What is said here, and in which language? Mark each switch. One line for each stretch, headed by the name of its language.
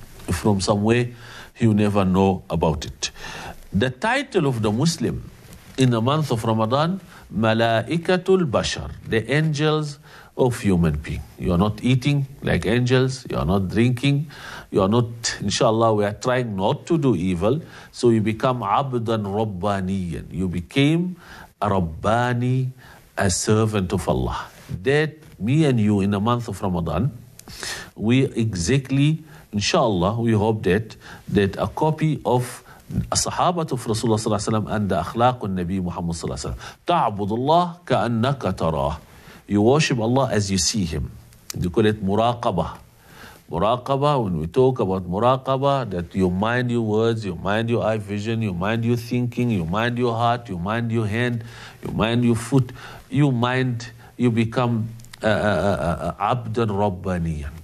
English: from somewhere, he will never know about it. The title of the Muslim in the month of Ramadan, Malaikatul Bashar, the angels of human being. You are not eating like angels, you are not drinking, you are not, inshallah, we are trying not to do evil. So you become Abdan Rabbaniyan. You became a Rabbani, a servant of Allah. That me and you in the month of Ramadan, we exactly, inshallah, we hope that a copy of
Arabic: الصحابة في رسول الله صلى الله عليه وسلم أن أخلاق النبي محمد صلى الله عليه وسلم تعبد الله كأنك تراه.
English: You worship Allah as you see him. They call it مراقبة. مراقبة, when we talk about مراقبة, that you mind your words, you mind your eye vision, you mind your thinking, you mind your heart, you mind your hand, you mind your foot, you mind, you become
Arabic: عبدا ربانيا.